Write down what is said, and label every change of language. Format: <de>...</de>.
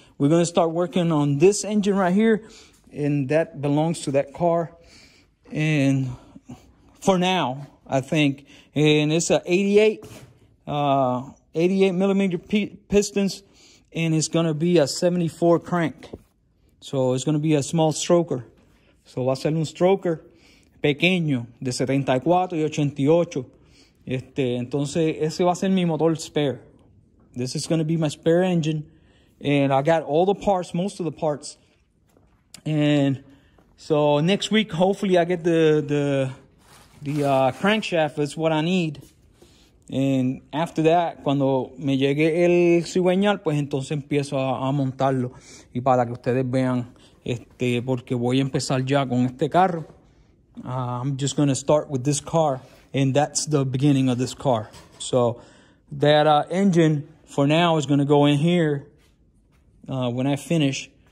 <en>We're going to start working on this engine right here, and that belongs to that car. And for now, I think, and it's a 88 millimeter pistons. And it's going to be a 74 crank. So it's going to be a small stroker.</en> <es>So va a ser un stroker pequeño de 74 y 88. Entonces ese va a ser mi motor spare.</es> <en>This is going to be my spare engine. And I got all the parts, most of the parts. And so next week, hopefully I get the crankshaft is what I need. And after that,</en> <es>cuando me llegue el cigüeñal, pues entonces empiezo a montarlo. Y para que ustedes vean, porque voy a empezar ya con este carro.</es> <en>I'm just going to start with this car. And that's the beginning of this car. So that engine for now is going to go in here when I finish.</en>